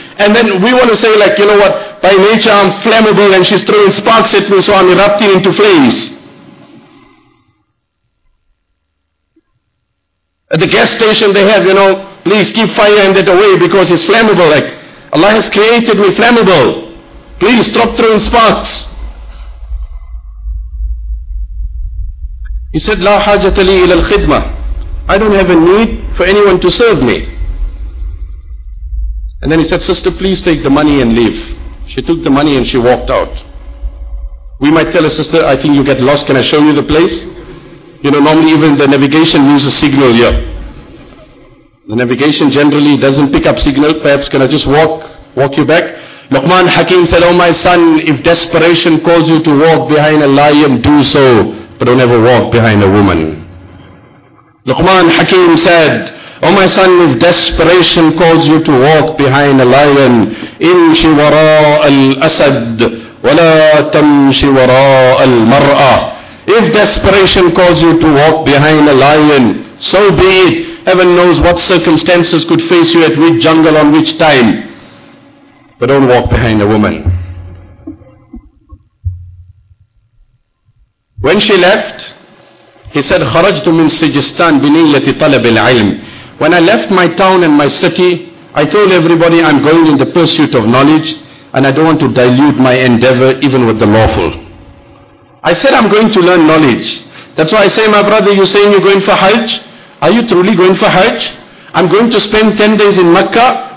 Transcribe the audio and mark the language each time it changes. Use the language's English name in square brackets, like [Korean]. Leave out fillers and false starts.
[English] And then we want to say, like, you know what, by nature I'm flammable and she's throwing sparks at me, so I'm erupting into flames. At the gas station they have, you know, please keep fire and that away because it's flammable. Like, Allah has created me flammable. Please stop throwing sparks. He said, [Arabic] لا حاجة لي إلى الخدمة. [English] I don't have a need for anyone to serve me. And then he said, sister, please take the money and leave. She took the money and she walked out. We might tell a sister, I think you get lost. Can I show you the place? You know, normally even the navigation uses signal here. The navigation generally doesn't pick up signal. Perhaps can I just walk you back? Luqman Hakim said, oh my son, if desperation calls you to walk behind a lion, do so. But don't ever walk behind a woman. Luqman Hakim said, oh my son, if desperation calls you to walk behind a lion, [Arabic] imshi wara al-asad, wala tamshi wara al-mar'a. [English] If desperation calls you to walk behind a lion, so be it. Heaven knows what circumstances could face you at which jungle on which time. But don't walk behind a woman. When she left, he said, [Arabic] خَرَجْتُ مِنْ سِجِسْتَانِ بِنِيَّةِ طَلَبِ الْعِلْمِ. [English] When I left my town and my city, I told everybody I'm going in the pursuit of knowledge and I don't want to dilute my endeavor even with the lawful. I said I'm going to learn knowledge. That's why I say, my brother, you're saying you're going for Hajj? Are you truly going for Hajj? I'm going to spend 10 days in Makkah.